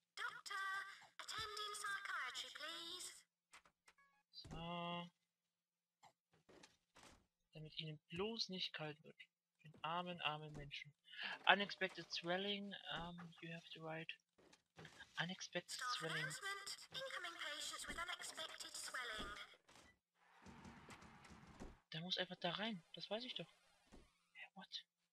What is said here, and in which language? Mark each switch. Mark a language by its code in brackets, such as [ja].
[en] Doctor, attending psychiatry, please. [de] So. Damit ihnen bloß nicht kalt wird. Den armen, armen Menschen. [en] Unexpected swelling, you have to write. Unexpected Stop swelling. Incoming patients with unexpected swelling. [de] Der muss einfach da rein, das weiß ich doch. [en] What?